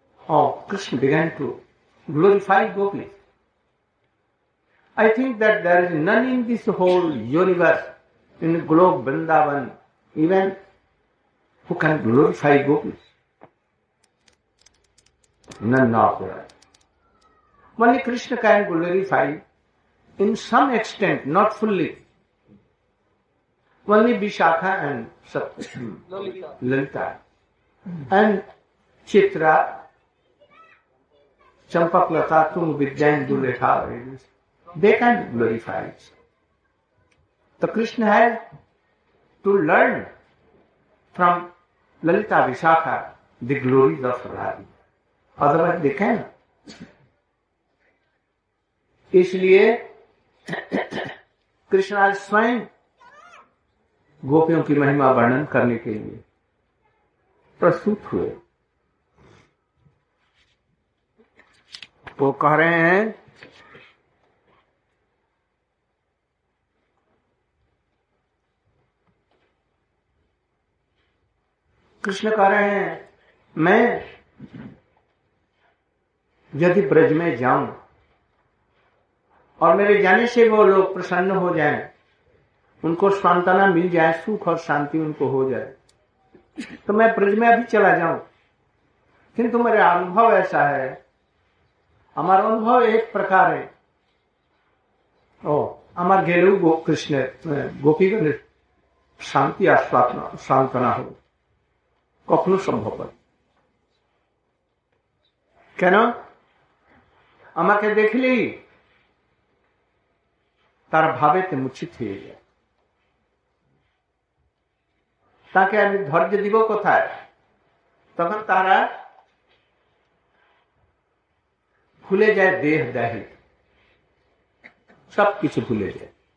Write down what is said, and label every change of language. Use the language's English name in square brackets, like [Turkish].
[English] Krishna began to glorify gopi I think that there is none in this whole universe in globe Vrindavan even who can glorify gopi Only Krishna can glorify in some extent, not fully. Only Vishakha and Lalita and Chitra, Champaklata, Tung, Vidyan, Duletha, they can glorify. So Krishna has to learn from Lalita, Vishakha, the glories of Radha. Otherwise they can. [Hindi] इसलिए कृष्ण आज स्वयं गोपियों की महिमा वर्णन करने के लिए प्रस्तुत हुए। वो कह रहे हैं कृष्ण कह रहे हैं मैं यदि ब्रज में जाऊं और मेरे जाने से वो लोग प्रसन्न हो जाएं, उनको सांत्वना मिल जाए, सुख और शांति उनको हो जाए, तो मैं ब्रज में अभी चला जाऊं। किंतु मेरे अनुभव ऐसा है, हमारा अनुभव एक प्रकार है, हमारे घेरु कृष्ण गोपी गण शांति सांत्वना हो कखनो संभव है। क्यों अमा के देख ली [Bangla] তার ভাবেতে মুচ্ছিত হয়ে যায়, তাকে আমি ধৈর্য দিব কোথায়, তখন তারা ভুলে যায় দেহ দেহে সব কিছু ভুলে যায়।